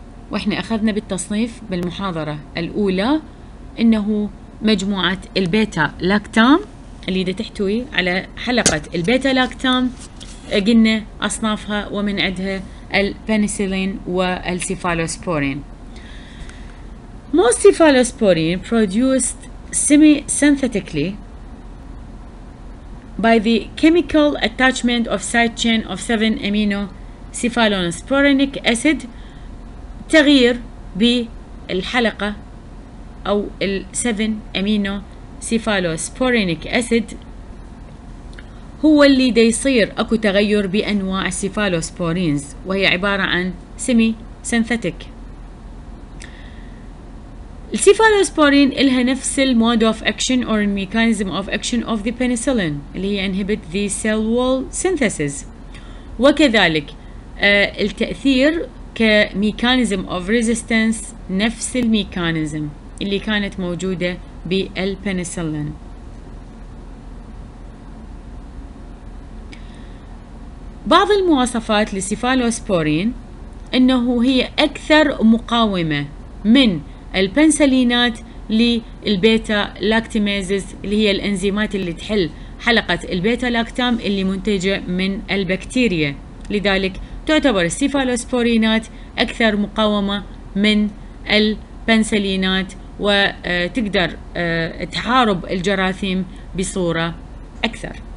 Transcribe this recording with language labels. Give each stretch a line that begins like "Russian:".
Arabic: واحنا اخذنا بالتصنيف بالمحاضرة الاولى انه مجموعة البيتا لاكتام اللي دا تحتوي على حلقة البيتا لاكتام، قلنا اصنافها ومن عندها البنسلين والسيفالوسبورين.
English: Most cephalosporin produced semi-synthetically by the chemical attachment of side chain of 7 amino cephalosporinic acid.
Arabic: تغيير بالحلقة أو ال 7 amino cephalosporinic acid هو اللي دي يصير أكو تغير بأنواع cephalosporins، وهي عبارة عن semi-synthetic. السيفالوسبورين إلها نفس المود
English: of action or mechanism of action of the penicillin
Arabic: اللي هي
English: inhibit the cell wall synthesis،
Arabic: وكذلك التأثير كميكانيزم
English: of resistance
Arabic: نفس الميكانيزم اللي كانت موجودة بالبنسلين. بعض المواصفات للسيفالوسبورين إنه هي أكثر مقاومة من البنسلينات للبيتا لاكتيمازز اللي هي الانزيمات اللي تحل حلقة البيتا لاكتام اللي منتجة من البكتيريا، لذلك تعتبر السيفالوسبورينات أكثر مقاومة من البنسلينات وتقدر تحارب الجراثيم بصورة أكثر.